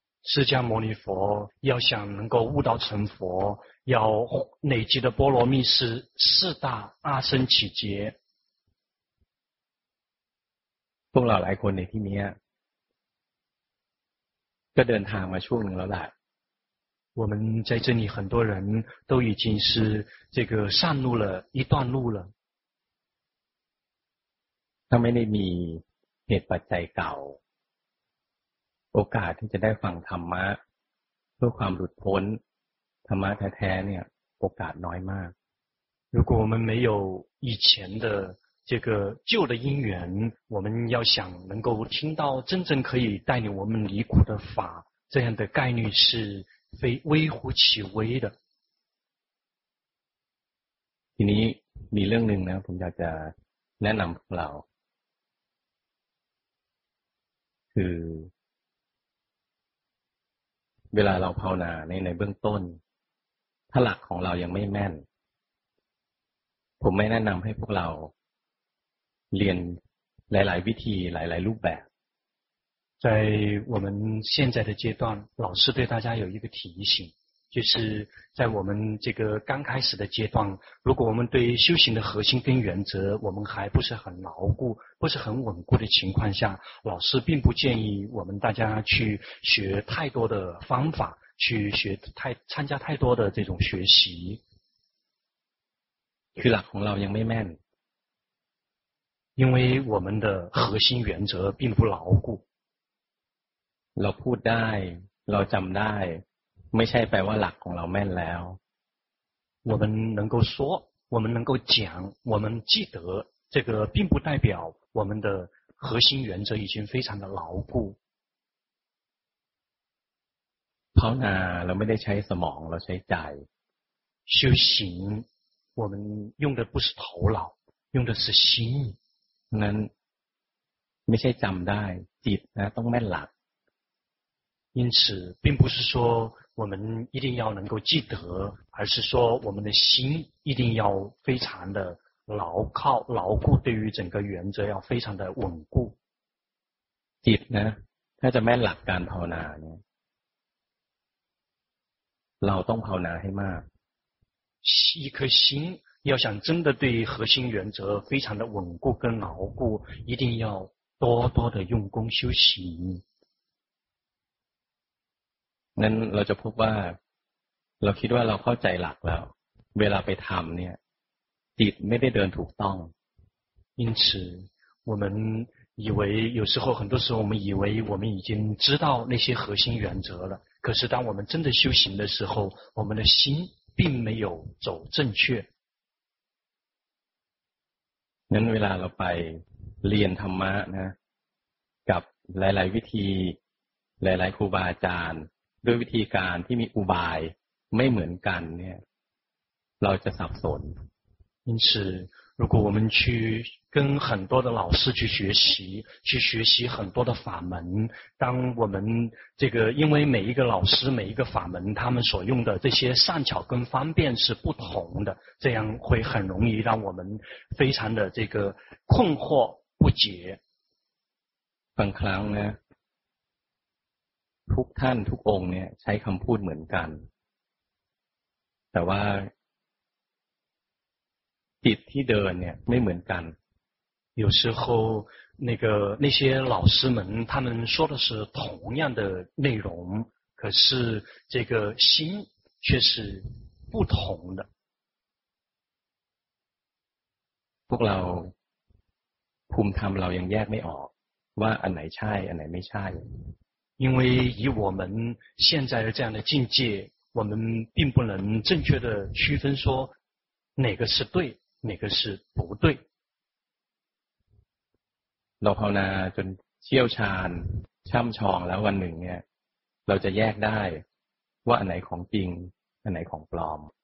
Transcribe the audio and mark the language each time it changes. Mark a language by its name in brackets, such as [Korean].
[Chinese] 释迦牟尼佛要想能够悟道成佛要累积的波罗蜜是四大阿僧祇劫 [Thai] พวกเราหลายคนในที่นี้ก็เดินทางมาช่วงหนึ่งแล้วแหละ [Chinese] 我们在这里很多人都已经是这个上路了一段路了 [Thai] ถ้าไม่ได้มีเหตุปัจจัยเก่าโอกาสที่จะได้ฟังธรรมะเพื่อความหลุดพ้นธรรมะแท้ๆเนี่ยโอกาสน้อยมาก [Chinese] 如果我们没有以前的这个旧的因缘我们要想能够听到真正可以带领我们离苦的法这样的概率是非微乎其微的 [Thai] ทีนี้มีเรื่องนึงนะผมอยากจะแนะนำเราคือเวลาเราภาวนาในเบื้องต้นถ้าหลักของเรายังไม่แม่น ผมไม่แนะนำให้พวกเราเรียนหลายๆวิธีหลายๆรูปแบบ [Chinese] 在我们现在的阶段，老师对大家有一个提醒，就是在我们这个刚开始的阶段，如果我们对修行的核心跟原则，我们还不是很牢固，不是很稳固的情况下，老师并不建议我们大家去学太多的方法，去学太参加太多的这种学习。 [Thai] คือหลักของเรายังไม่แม่น， [Chinese] 因为我们的核心原则并不牢固。 [Thai] เราพูดได้เราจำได้ไม่ใช่แปลว่าหลักของเราแม่นแล้ว [Chinese] 我们能够说我们能够讲我们记得这个并不代表我们的核心原则已经非常的牢固 [Thai] เพราะนาเราไม่ได้ใช้สมองเราใช้ใจ [Chinese] 修行我们用的不是头脑用的是心 [Thai] นั้นไม่ใช่จำได้จิตนะต้องแม่นหลัก [Chinese] 因此并不是说我们一定要能够记得而是说我们的心一定要非常的牢靠牢固对于整个原则要非常的稳固 [Thai] จิตนะถ้าจะแม่นหลักการภาวนาเนี่ยเราต้องภาวนาให้มาก [Chinese] 一颗心要想真的对核心原则非常的稳固跟牢固一定要多多的用功修行 [Thai] นั้นเราจะพบว่าเราคิดว่าเราเข้าใจหลักแล้วเวลาไปทำเนี่ยจิตไม่ได้เดินถูกต้อง [Chinese] 因此我们以为有时候很多时候我们以为我们已经知道那些核心原则了可是当我们真的修行的时候我们的心并没有走正确 [Thai] นั้นเวลาเราไปเรียนธรรมะนะกับหลายๆวิธีหลายๆครูบาอาจารย์ด้วยวิธีการที่มีอุบายไม่เหมือนกันเนี่ยเราจะสับสน [Chinese] 因此如果我们去跟很多的老师去学习去学习很多的法门当我们这个因为每一个老师每一个法门他们所用的这些善巧跟方便是不同的这样会很容易让我们非常的这个困惑不解 [Thai] บางครั้งนะทุกท่านทุกองค์เนี่ยใช้คำพูดเหมือนกันแต่ว่าจิตที่เดินเนี่ยไม่เหมือนกัน [Chinese] 有时候那些老师们他们说的是同样的内容可是这个心却是不同的 [Thai] พวกเราภูมิธรรมเรายังแยกไม่ออกว่าอันไหนใช่อันไหนไม่ใช่ [Chinese] 因为以我们现在的这样的境界我们并不能正确的区分说哪个是对哪个是不对 [Thai] เราภาวนาจนเชี่ยวชาญช่ำชองแล้ววันหนึ่งเนี่ยเราจะแยกได้ว่าอันไหนของจริงอันไหนของปลอม